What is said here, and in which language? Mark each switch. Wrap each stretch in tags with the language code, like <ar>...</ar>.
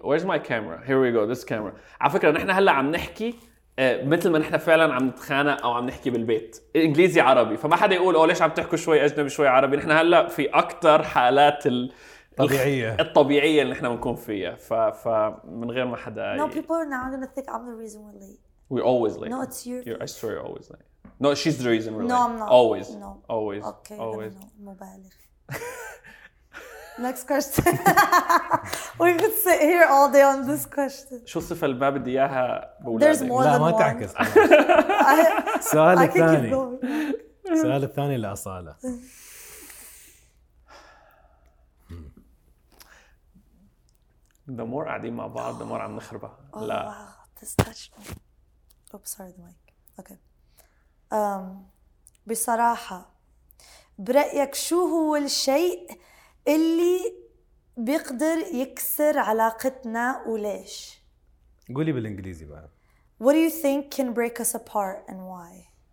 <en>Where's my camera? Here we go. This camera.</en> <ar>على فكرة نحن هلا عم نحكي مثل ما نحن فعلا عم نتخانق او عم نحكي بالبيت. انجليزي عربي. فما حدا يقول او ليش عم تحكوا شوي اجنبي شوي عربي. نحن هلا في اكثر حالات الطبيعية. الطبيعية اللي نحن بنكون فيها. فمن غير ما حدا</ar> <en>No, people are now going to think I'm the reason we're late. We're always late. No, it's your You're, I swear you're always late. No, she's the reason we're no, late. I'm not. Always. No. Always. Okay. Always. Next question. We could sit here all day on this question.</en> <ar>شو الصفة اللي ما بدي إياها بولادي؟</ar> <en>There's more than one.</en> <ar>لا ما تعكس. سؤال الثاني. سؤال الثاني لأصالة.</ar> <en>The more</en> <ar>قاعدين مع بعض,</ar> <en>the more</en> <ar>عم نخربها.</ar> <en>Oh,</en> <ar>لا.</ar> <en>Wow. This touch. Oops, sorry, the mic. Okay.</en> <ar>بصراحة برأيك شو هو الشيء اللي بيقدر يكسر علاقتنا وليش؟ قولي بالإنجليزي بقى.</ar> <en>What do you think can break us apart and why?</en>